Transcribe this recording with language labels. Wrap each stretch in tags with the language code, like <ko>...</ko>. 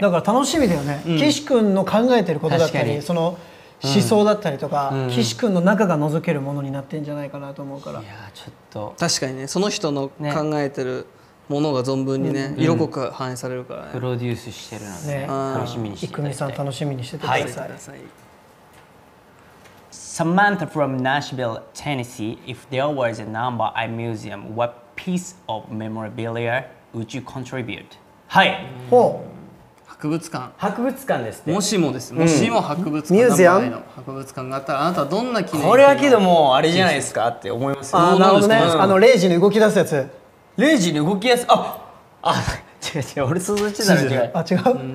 <ja>だから楽しみだよね、うん、岸くんの考えてることだったりその思想だったりとか、うん、岸くんの中が覗けるものになってんじゃないかなと思うから。いや、ちょっと確かにね、その人の考えてるものが存分に ね、色濃く反映されるから、ね、うん、プロデュースしてるなんて、ね、楽しみにしてください。生美さん楽しみにしててください、はい、</ja> <en>Samantha from Nashville, Tennessee. If there was a number I museum, what piece of memorabilia would you contribute?</en> <ja>はい、ほう、博物館、博物館ですね。もしもです、もしも博物館、ミュージアム、博物館があったらあなたはどんな記念品、これはけどもうあれじゃないですかって思いますよ。あ、なるほどね、うん、レイジに動き出すやつ、レイジに動きやす、あ、あ、違う違う、俺想像してたの違う、あ、違う、</ja>